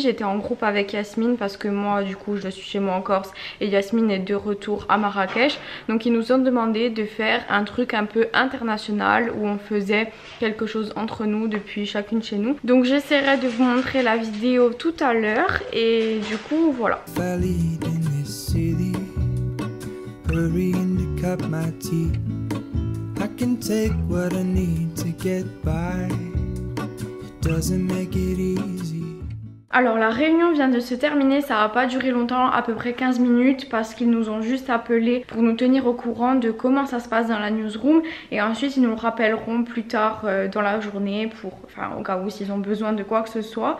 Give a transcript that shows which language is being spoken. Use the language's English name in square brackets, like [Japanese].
[French] J'étais en groupe avec Yasmine parce que moi du coup je suis chez moi en Corse et Yasmine est de retour à Marrakech. Donc ils nous ont demandé de faire un truc un peu international où on faisait quelque chose entre nous depuis chacune chez nous. Donc j'essaierai de vous montrer la vidéo tout à l'heure et du coup voilà. [English] Valid in this city, hurrying to cut my teeth. I can take what I need to get by. It doesn't make it easy. [French] Alors la réunion vient de se terminer, ça n'a pas duré longtemps, à peu près 15 minutes parce qu'ils nous ont juste appelé pour nous tenir au courant de comment ça se passe dans la newsroom et ensuite ils nous rappelleront plus tard dans la journée pour, enfin, au cas où s'ils ont besoin de quoi que ce soit.